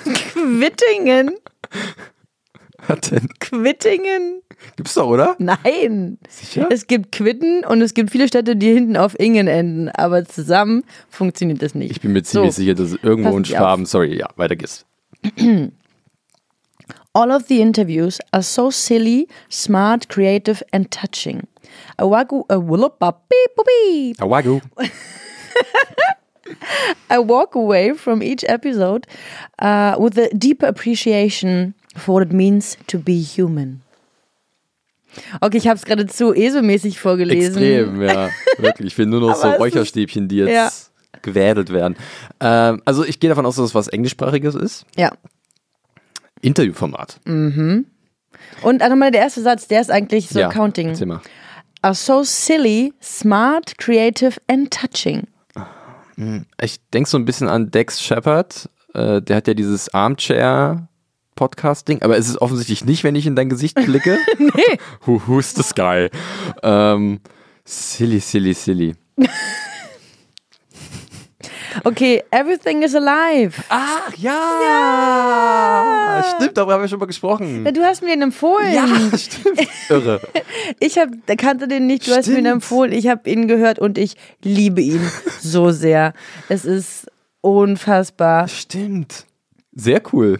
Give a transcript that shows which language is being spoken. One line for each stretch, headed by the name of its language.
German: Quittingen? Was denn? Quittingen? Gibt's doch, oder? Nein. Sicher? Es gibt Quitten und es gibt viele Städte, die hinten auf Ingen enden, aber zusammen funktioniert das nicht. Ich bin mir ziemlich sicher, dass es irgendwo in Schwaben, weiter geht's.
English: All of the interviews are so silly, smart, creative and touching. I walk away from each episode with a deeper appreciation for what it means to be human.
German: Okay, ich habe es gerade zu ESO-mäßig vorgelesen. Extrem, ja. Wirklich, ich will nur noch so Räucherstäbchen, die jetzt gewädelt werden. Also ich gehe davon aus, dass es was Englischsprachiges ist. Ja. Interviewformat. Mhm. Und nochmal der erste Satz, der ist eigentlich so counting. Erzähl mal.
English: Are so silly, smart, creative and touching.
German: Ich denke so ein bisschen an Dax Shepard. Der hat ja dieses Armchair-Podcast-Ding. Aber es ist offensichtlich nicht, wenn ich in dein Gesicht blicke. Nee.
English: Who's the sky? Silly. Okay, everything is alive.
German: Ach, ja. Ja. Stimmt, darüber haben wir schon mal gesprochen. Ja, du hast mir den empfohlen. Ja, stimmt. Irre. Ich kannte den nicht, hast mir ihn empfohlen. Ich habe ihn gehört und ich liebe ihn so sehr. Es ist unfassbar. Stimmt. Sehr cool.